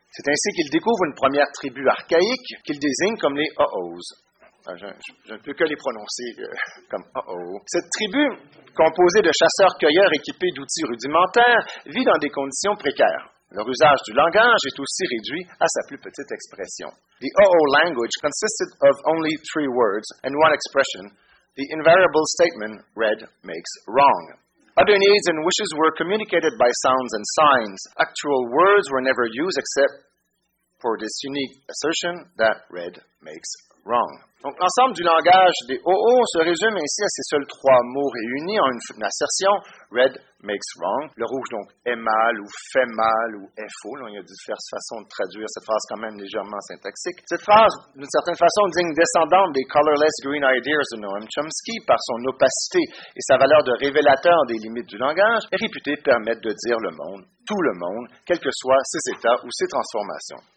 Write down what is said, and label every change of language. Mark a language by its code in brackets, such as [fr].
[fr] C'est ainsi qu'il découvre une première tribu archaïque qu'il désigne comme les Ho'os. Je ne peux que les prononcer comme Ho'os. Cette tribu, composée de chasseurs-cueilleurs équipés d'outils rudimentaires, vit dans des conditions précaires. Leur usage du langage est aussi réduit à sa plus petite expression. [en] The Ho'o language consisted of only three words and one expression. The invariable statement read makes wrong. Other needs and wishes were communicated by sounds and signs. Actual words were never used except for this unique assertion that read makes wrong. [fr] Donc, l'ensemble du langage des Ho'o se résume ainsi à ces seuls trois mots réunis en une assertion, [en] red makes wrong. [fr] Le rouge, donc, est mal ou fait mal ou est faux. Là, il y a diverses façons de traduire cette phrase quand même légèrement syntaxique. Cette phrase, d'une certaine façon, digne descendante des [en] colorless green ideas [fr] de Noam Chomsky par son opacité et sa valeur de révélateur des limites du langage, est réputée permettre de dire le monde, tout le monde, quels que soient ses états ou ses transformations.